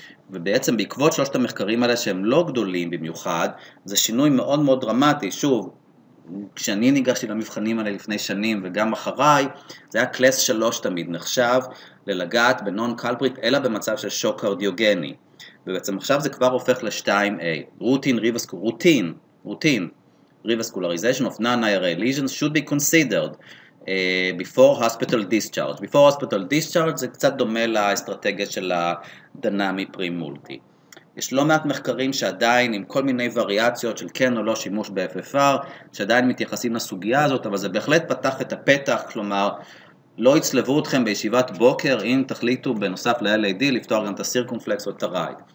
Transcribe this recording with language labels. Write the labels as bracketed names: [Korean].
[Hebrew] ובעצם בעקבות שלושת המחקרים האלה שהם לא גדולים במיוחד, זה שינוי מאוד מאוד דרמטי, שוב, כשאני ניגשתי למבחנים האלה לפני שנים וגם אחריי, זה היה קלאס 3 תמיד נחשב ללגעת בנון קלפריט, אלא במצב של שוק קרדיוגני. ובעצם עכשיו זה כבר הופך ל-2A, [English] רוטין revascularization of non-IRA lesions should be considered before hospital discharge. Before hospital discharge [Hebrew] זה קצת דומה לאסטרטגיה של הדנמי פרימולטי. יש לא מעט מחקרים שעדיין עם כל מיני וריאציות של כן או לא שימוש ב-FFR, שעדיין מתייחסים לסוגיה הזאת, אבל זה בהחלט פתח את הפתח, כלומר, לא יצלבו אתכם בישיבת בוקר אם תחליטו בנוסף ל-LAD לפתור גם את הסירקונפלקס או את הרייד.